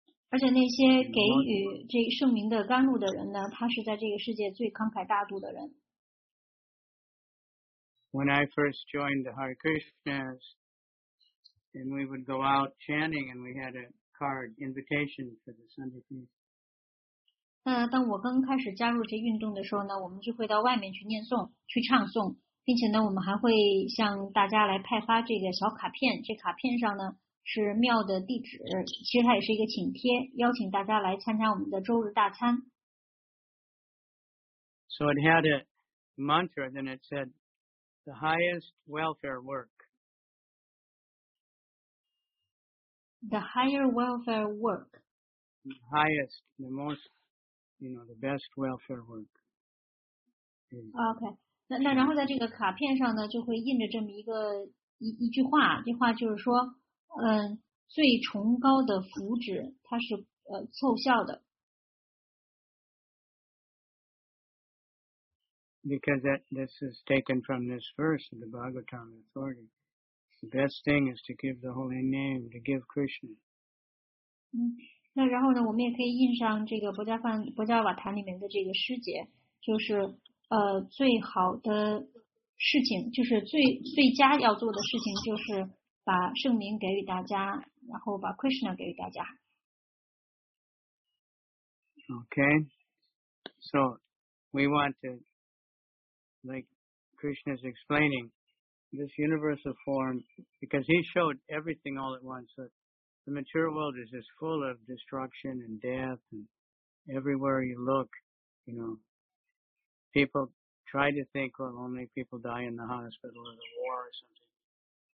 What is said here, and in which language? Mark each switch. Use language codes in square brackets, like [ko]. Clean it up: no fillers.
[zh] 而且那些给予这圣名的甘露的人呢，他是在这个世界最慷慨大度的人。 [en] When I first joined the Hare Krishnas, and we would go out chanting, and we had a card invitation for the Sunday feast. [zh] 当我刚开始加入这运动的时候呢，我们就会到外面去念诵、去唱诵，并且呢，我们还会向大家来派发这个小卡片。这卡片上呢是庙的地址，其实它也是一个请帖，邀请大家来参加我们的周日大餐。 [en] So it had a mantra, then it said. The highest welfare work. The higher welfare work. The highest, the most, you know, the best welfare work. Okay. [zh] 那然后在这个卡片上呢，就会印着这么一句话，这句话就是说，最崇高的福祉它是凑效的。 [en] Because this is taken from this verse of the Bhagavatam authority. The best thing is to give the holy name, to give Krishna. [zh] 嗯，那然后呢，我们也可以印上这个佛家瓦坛里面的这个师节，就是最好的事情，就是最佳要做的事情，就是把圣名给予大家，然后把 Krishna 给予大家。 [en] Okay, so we want to, like Krishna is explaining, this universal form, because he showed everything all at once. So the mature world is just full of destruction and death, and everywhere you look, you know, people try to think, well, only people die in the hospital or the war or something.